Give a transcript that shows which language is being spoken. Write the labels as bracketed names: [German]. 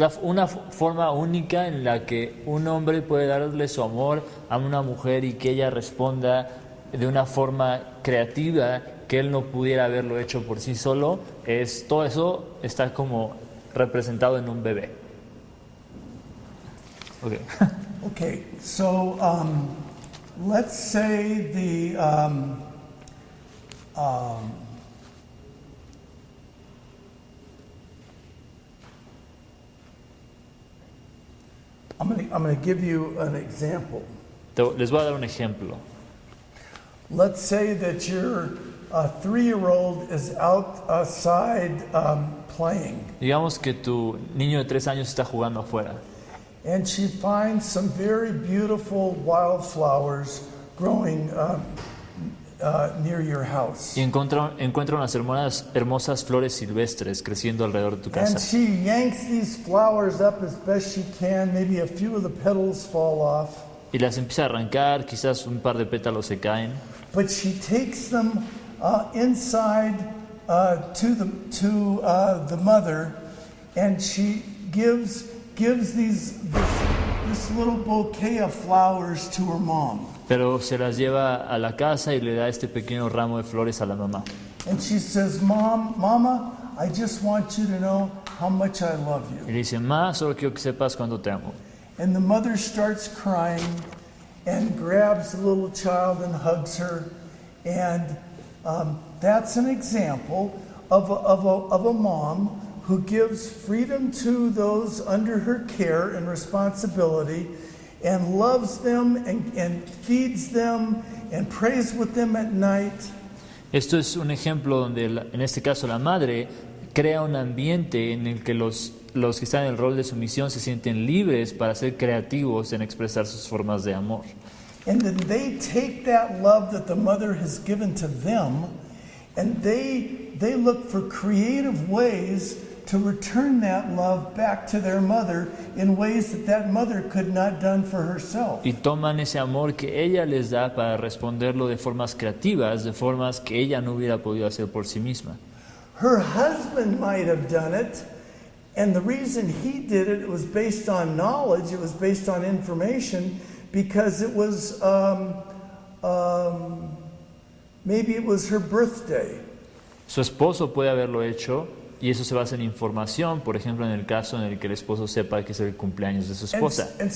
[Spanish] una forma única en la que un hombre puede darle su amor a una mujer y que ella responda de una forma creativa que él no pudiera haberlo hecho por sí solo, es todo eso está como representado en un bebé. [English] Okay. Okay. So let's say the I'm going to give you an example. [Spanish] Les voy a dar un ejemplo. [English] Let's say that your three-year-old is out outside playing. [Spanish] Digamos que tu niño de 3 años está jugando afuera. [English] And she finds some very beautiful wildflowers growing near your house. [Spanish] Y encuentra unas hermosas flores silvestres creciendo alrededor de tu casa. [English] And she yanks these flowers up as best she can. Maybe a few of the petals fall off. [Spanish] Y las empieza a arrancar, quizás un par de pétalos se caen. [English] But she takes them inside to the mother, and she gives this little bouquet of flowers to her mom. [Spanish] Pero se las lleva a la casa y le da este pequeño ramo de flores a la mamá. [English] And she says, "Mom, mama, I just want you to know how much I love you." [Spanish] Y le dice, "Ma, solo quiero que sepas cuánto te amo." [English] And the mother starts crying and grabs the little child and hugs her. And that's an example of a mom who gives freedom to those under her care and responsibility, and loves them and feeds them and prays with them at night. [Spanish] Esto es un ejemplo donde, en este caso, la madre crea un ambiente en el que los que están en el rol de sumisión se sienten libres para ser creativos en expresar sus formas de amor. [English] And then they take that love that the mother has given to them, and they look for creative ways to return that love back to their mother in ways that mother could not done for herself. [Spanish] Y toman ese amor que ella les da para responderlo de formas creativas, de formas que ella no hubiera podido hacer por sí misma. [English] Her husband might have done it, and the reason he did it was based on knowledge, it was based on information, because it was maybe it was her birthday. [Spanish] Su esposo puede haberlo hecho. Y eso se basa en información, por ejemplo, en el caso en el que el esposo sepa que es el cumpleaños de su esposa.